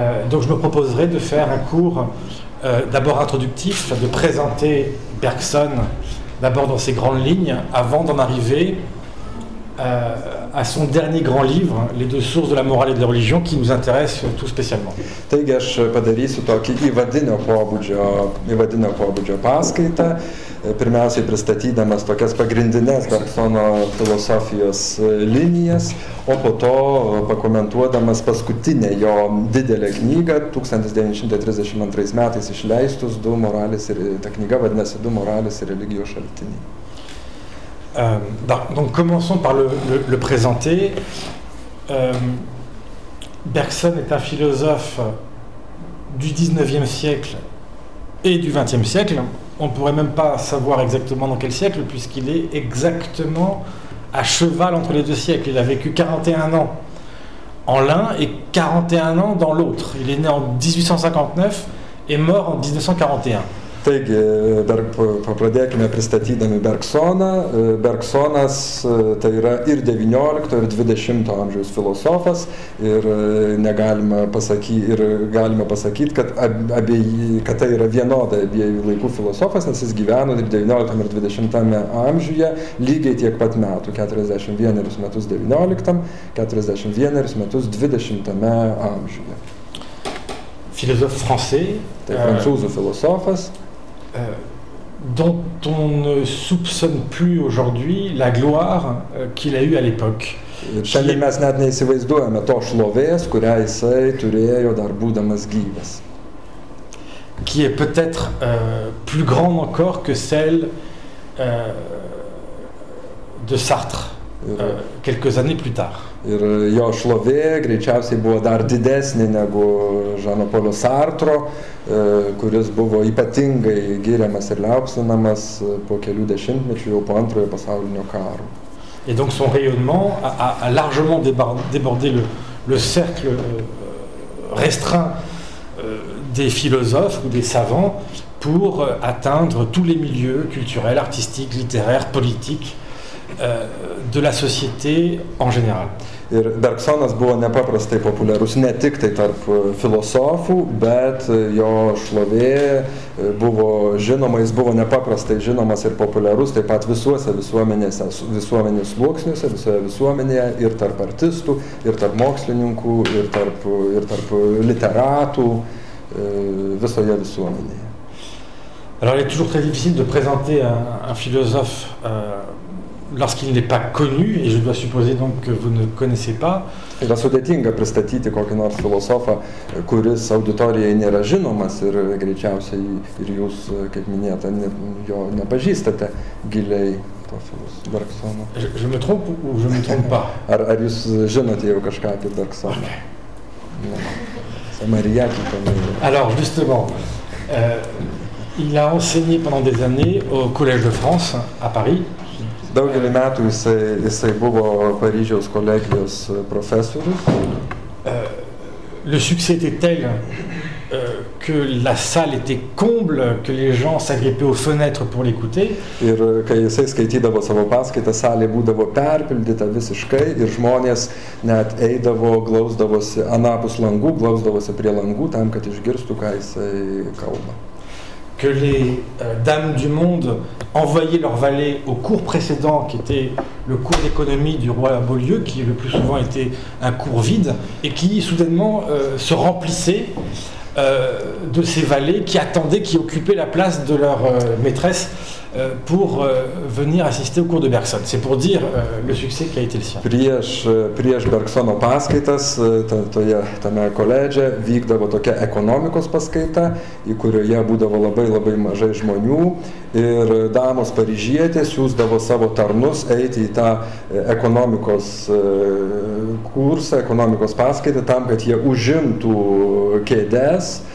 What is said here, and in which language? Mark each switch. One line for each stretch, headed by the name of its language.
French: Donc je me proposerai de faire un cours d'abord introductif, de présenter Bergson d'abord dans ses grandes lignes, avant d'en arriver à son dernier grand livre, Les deux sources de la morale et de la religion, qui nous intéresse tout spécialement.
Lithuanian: Taigi aš padarysiu tokį įvadinio pobūdžio paskaitą, pirmiausiai pristatydamas tokias pagrindines Bergsono filosofijos linijas, o po to pakomentuodamas paskutinę jo didelę knygą, 1932 metais išleistus du moralės ir ta knyga vadinasi du moralės ir religijos šaltiniai.
French: Donc commençons par le présenter. Bergson est un philosophe du 19e siècle et du 20e siècle. On ne pourrait même pas savoir exactement dans quel siècle, puisqu'il est exactement à cheval entre les deux siècles. Il a vécu 41 ans en l'un et 41 ans dans l'autre. Il est né en 1859 et mort en 1941.
Lithuanian: Taigi, dar pradėkime pristatydami Bergsoną. Bergsonas tai yra ir 19, ir 20 amžiaus filosofas, ir negalima pasakyti, ir galima pasakyti, kad tai yra vienoda abiejų laikų filosofas, nes jis gyveno ir 19 ir 20 amžiuje lygiai tiek pat metų, 41 metus 19, 41 metus 20 amžiuje.
French: Filosof français,
Lithuanian: tai prancūzų filosofas.
French: Dont on ne soupçonne plus aujourd'hui la gloire qu'il a eue à l'époque.
Lithuanian: Šiandien mes net neįsivaizduojame to šlovės, kurią jisai turėjo dar būdamas gyvas.
French: Qui est peut-être plus grande encore que celle de Sartre quelques années plus tard.
Lithuanian: Ir jo šlovė greičiausiai buvo dar didesnė negu Žano-Polio Sartro, kuris buvo ypatingai giriamas ir liaupsinamas po kelių dešimtmečių jau po antrojo pasaulinio karo.
French: Et donc son rayonnement a largement débordé le cercle restreint des philosophes ou des savants pour atteindre tous les milieux culturels, artistiques, littéraires, politiques de la société en général.
Lithuanian: Ir Bergsonas buvo nepaprastai populiarus ne tik tai tarp filosofų, bet jo šlovė buvo žinoma, jis buvo nepaprastai žinomas ir populiarus taip pat visuose visuomenėse, visuomenės sluoksniuose, visoje visuomenėje ir tarp artistų, ir tarp mokslininkų, ir tarp literatų visoje visuomenėje.
French: Alors, il est toujours très difficile de présenter un philosophe lorsqu'il n'est pas connu, et je dois supposer donc que vous ne connaissez pas.
Lithuanian: Yra sudėtinga pristatyti kokį nors filosofą, kuris auditorijai nėra žinomas ir greičiausiai ir jūs, kaip minėta, jo nepažįstate giliai to filosofo Bergsono.
French: Je me trompe ou je me trompe pas?
Lithuanian: Ar jūs žinote jau kažką apie Bergsoną?
English: Okay.
Lithuanian: Ne. Samarijakį paminėjo.
French: Alors, justement, il a enseigné pendant des années au Collège de France, à Paris.
Lithuanian: Daugelį metų jisai buvo Paryžiaus kolegijos profesorius.
French: Le succès était tel que la salle était comble, que les gens s'agrippaient aux fenêtres pour l'écouter.
Lithuanian: Ir kai jisai skaitydavo savo paskaitą, salė būdavo perpildyta visiškai ir žmonės net eidavo, glausdavosi anapus langų, glausdavosi prie langų tam, kad išgirstų, ką jisai kalba.
French: Que les dames du monde envoyaient leurs valets au cours précédent, qui était le cours d'économie du roi Beaulieu, qui le plus souvent était un cours vide, et qui soudainement se remplissait de ces valets qui attendaient, qui occupaient la place de leur maîtresse pour venir assister au cours de Bergson. C'est pour dire le succès qui a été le sien.
Lithuanian: Prieš Bergsono paskaitas tame koledže vykdavo tokia ekonomikos paskaita, į kurioje būdavo labai labai mažai žmonių, ir damos paryžietės siūsdavo savo tarnus eiti į tą ekonomikos kursą, ekonomikos paskaitą, tam, kad jie užimtų kėdes.